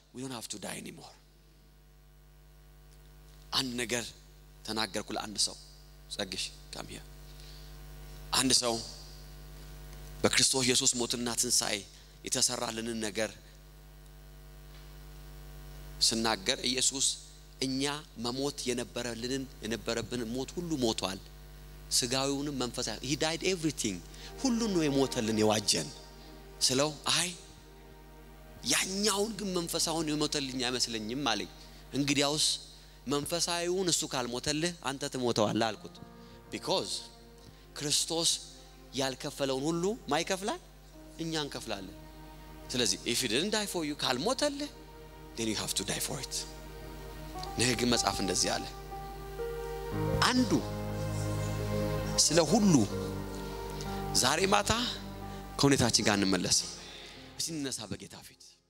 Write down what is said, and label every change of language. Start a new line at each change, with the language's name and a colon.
English: We don't have to die anymore.
Amharic: አንድ ነገር ተናገርኩ ለአንድ ሰው. ጸግሽ
English: come here.
Amharic: አንድ ሰው በክርስቶስ ኢየሱስ ሞትና ትንሳኤ የተሰራልን ነገር ስናገር ኢየሱስ እኛ መሞት የነበረብን ሞት ሁሉ ሞቷል. ስጋዊውንም መንፈሳዊ
English: he died everything.
Amharic: ሁሉ ነው የሞተልን የዋጀን ስለው አይ ያኛውን ግን መንፈሳውን የሞተልኝ አይመስልኝም ማለት. እንግዲያውስ መንፈሳዊውን እሱ ካልሞተልህ አንተ ትሞተዋል አልኩት. because ክርስቶስ ያልከፈለውን ሁሉ ማይከፍላል እኛ እንከፍላለን.
English: ስለዚህ if he didn't die for you
Amharic: ካልሞተልህ
English: then you have to die for it.
Amharic: ነገ መጻፍ እንደዚህ አለ. አንዱ ስለ ሁሉ ዛሬ ማታ ከሁኔታችን ጋር እንመለስ. እሺ እንነሳ በጌታ ፊት.